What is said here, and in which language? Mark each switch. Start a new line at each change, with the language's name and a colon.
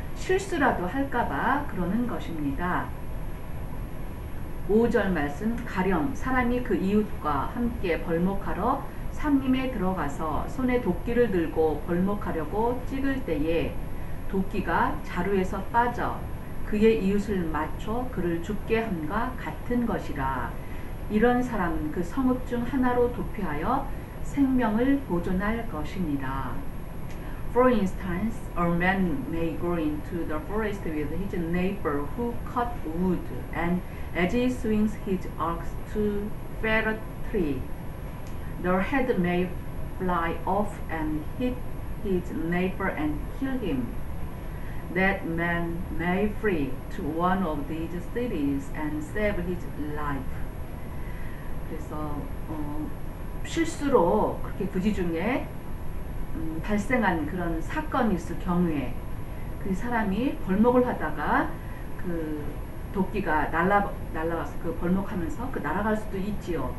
Korean: 실수라도 할까봐 그러는 것입니다. 5절 말씀, 가령 사람이 그 이웃과 함께 벌목하러 삼림에 들어가서 손에 도끼를 들고 벌목하려고 찍을 때에 도끼가 자루에서 빠져 그의 이웃을 맞춰 그를 죽게 함과 같은 것이라. 이런 사람은 그 성읍 중 하나로 도피하여 생명을 보존할 것입니다.
English: For instance, a man may go into the forest with his neighbor who cut wood, and as he swings his ox to fell a tree, the head may fly off and hit his neighbor and kill him. That man may flee to one of these cities and save his life.
Korean: 그래서 실수로 그렇게 부지 중에 발생한 그런 사건이 있을 경우에 그 사람이 벌목을 하다가 그 도끼가 날라와서 그 벌목하면서 그 날아갈 수도 있지요.